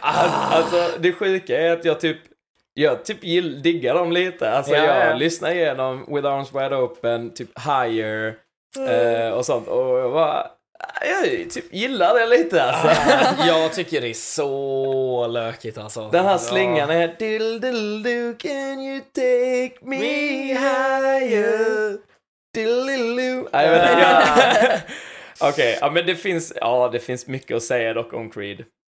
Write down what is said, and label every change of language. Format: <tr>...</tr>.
<sv>Alltså, det sjuka är att jag typ diggar dem lite. Alltså, yeah. Jag lyssnar igenom With Arms Wide Open, typ Higher och sånt. Och jag bara, jag typ gillar det lite. Alltså. Jag tycker det är så lökigt. Alltså. Den här slingan är...</sv> <en>Do, can you take me higher?</en> <sv>Okej, okay, ja, men det finns mycket att säga dock om Creed.</sv>